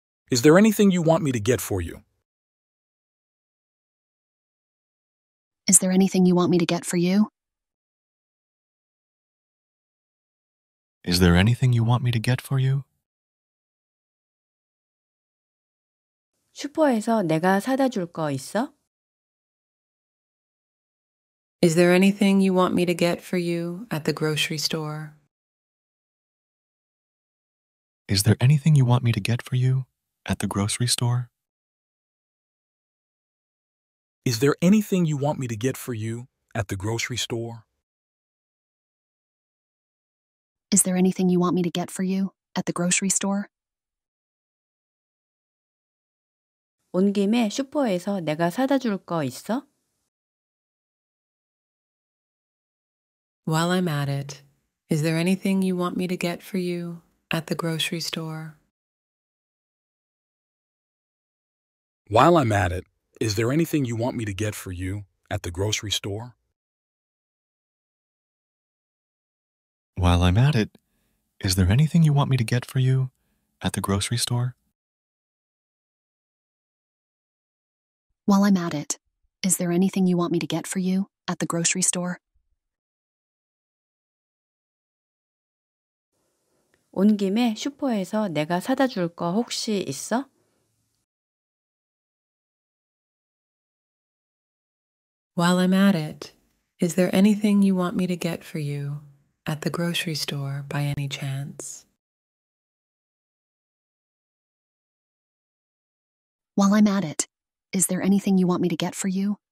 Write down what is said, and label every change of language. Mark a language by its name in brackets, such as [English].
[English] Is there anything you want me to get for you? Is there anything you want me to get for you? Is there anything you want me to get for you? [Korean] 슈퍼에서 내가 사다 줄 거 있어? [English] Is there anything you want me to get for you at the grocery store? Is there anything you want me to get for you at the grocery store? Is there anything you want me to get for you at the grocery store? Is there anything you want me to get for you at the grocery store? [Korean] 온 김에 슈퍼에서 내가 사다 줄 거 있어? [English] While I'm at it, is there anything you want me to get for you at the grocery store? While I'm at it, is there anything you want me to get for you at the grocery store? While I'm at it, is there anything you want me to get for you at the grocery store? While I'm at it, is there anything you want me to get for you at the grocery store? [Korean] 온 김에 슈퍼에서 내가 사다 줄 거 혹시 있어? [English] While I'm at it, is there anything you want me to get for you at the grocery store by any chance? While I'm at it, Is there anything you want me to get for you?